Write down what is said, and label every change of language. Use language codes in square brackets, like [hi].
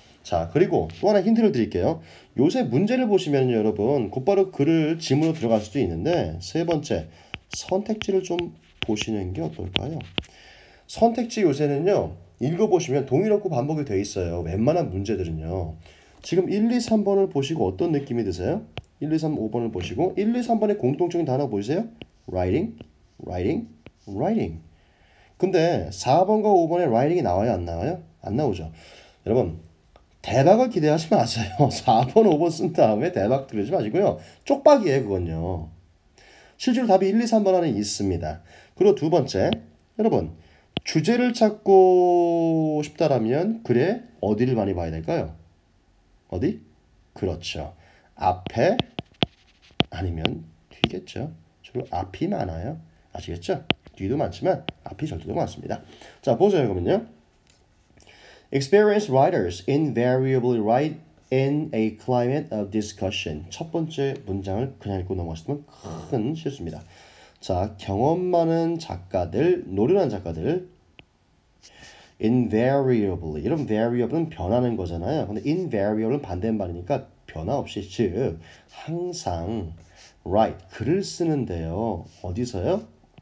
[ko] 자, 그리고 또 하나 힌트를 드릴게요. 요새 문제를 보시면 여러분 곧바로 글을 질문으로 들어갈 수도 있는데 세 번째 선택지를 좀 보시는 게 어떨까요? 선택지 요새는요 읽어보시면 동일어구 반복이 돼 있어요. 웬만한 문제들은요. 지금 1, 2, 3번을 보시고 어떤 느낌이 드세요? 1, 2, 3, 5번을 보시고 1, 2, 3번의 공통적인 단어 보이세요? [en] Writing, writing, writing. [ko] 근데 4번과 5번에 라이딩이 나와요, 안 나와요? 안 나오죠. 여러분, 대박을 기대하지 마세요. 4번, 5번 쓴 다음에 대박 들지 마시고요. 쪽박이에요, 그건요. 실제로 답이 1, 2, 3번 안에 있습니다. 그리고 두 번째, 여러분, 주제를 찾고 싶다라면 글에 어디를 많이 봐야 될까요? 어디? 그렇죠. 앞에 아니면 뒤겠죠. 주로 앞이 많아요. 아시겠죠? 뒤도 많지만 앞이 절대 더 많습니다. 자, 보세요, 그러면요. [en] Experienced writers invariably write in a climate of discussion. [ko] 첫 번째 문장을 그냥 읽고 넘어갔으면 큰 실수입니다. 자, 경험 많은 작가들, 노련한 작가들. [en] Invariably. [ko] 이런 variable은 변하는 거잖아요. 근데 invariable은 반대말이니까 변화 없이, 즉 항상 write, 글을 쓰는데요. 어디서요?